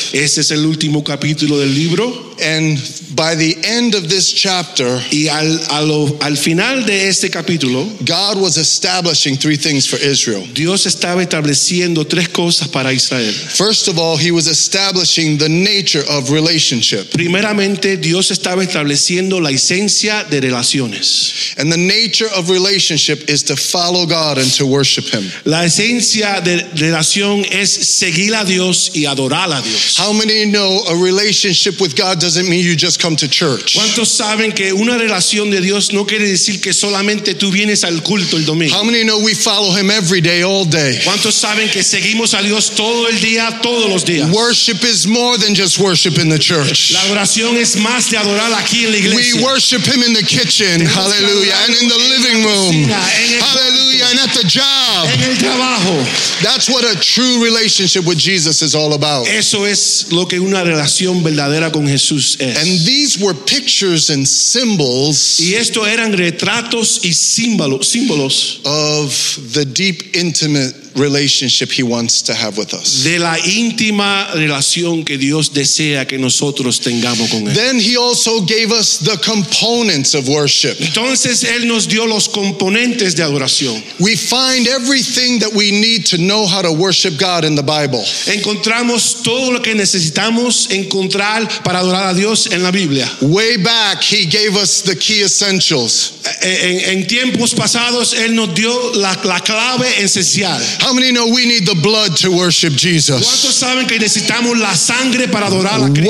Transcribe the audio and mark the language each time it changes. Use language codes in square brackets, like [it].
[es] Este es el último capítulo del libro. [en] And by the end of this chapter, [es] y al final de este capítulo, [en] God was establishing three things for Israel. [es] Dios estaba estableciendo tres cosas para Israel. [en] First of all, He was establishing the nature of relationship. [es] Primeramente, Dios estaba estableciendo la esencia de relaciones. [en] And the nature of relationship is to follow God and to worship Him. [es] La esencia de relación es seguir a Dios y adorar a Dios. [en] How many know a relationship with God doesn't mean you just come to church? [es] ¿Cuántos saben que una relación de Dios no quiere decir que solamente tú vienes al culto el domingo? [en] How many know we follow Him every day, all day? [es] ¿Cuántos saben que seguimos a Dios todo el día, todos los días? [en] Worship is more than just worship in the church. [es] La adoración es más de adorar aquí en la iglesia. [en] We worship Him in the kitchen, hallelujah, and in the living room, hallelujah, and at the job. [es] En el trabajo. [en] That's what a true relationship with Jesus is all about. [es] Eso es lo que una relación verdadera con Jesús es. [en] And these were pictures and symbols. [es] Y esto eran retratos y símbolos [en] of the deep, intimate relationship He wants to have with us. [es] De la íntima relación que Dios desea que nosotros tengamos con Él. [en] Then He also gave us the components of worship. [es] Entonces Él nos dio los componentes de adoración. [en] We find everything that we need to know how to worship God in the Bible. [es] Encontramos todo lo que necesitamos encontrar para adorar a Dios en la Biblia. [en] Way back He gave us the key essentials. [es] En tiempos pasados Él nos dio la clave esencial. [en] How many know we need the blood to worship Jesus? [es] ¿Cuántos saben que necesitamos la sangre para adorar a Cristo?